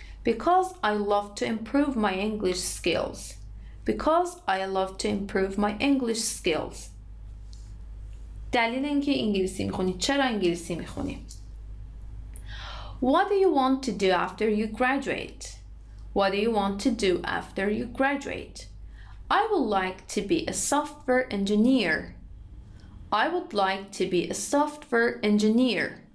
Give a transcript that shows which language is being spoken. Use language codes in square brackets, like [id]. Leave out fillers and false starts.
[en] Because I love to improve my English skills. Because I love to improve my English skills. [fa] دلیل اینکه انگلیسی میخونی، چرا انگلیسی میخونی؟ [en] What do you want to do after you graduate? What do you want to do after you graduate? I would like to be a software engineer. I would like to be a software engineer.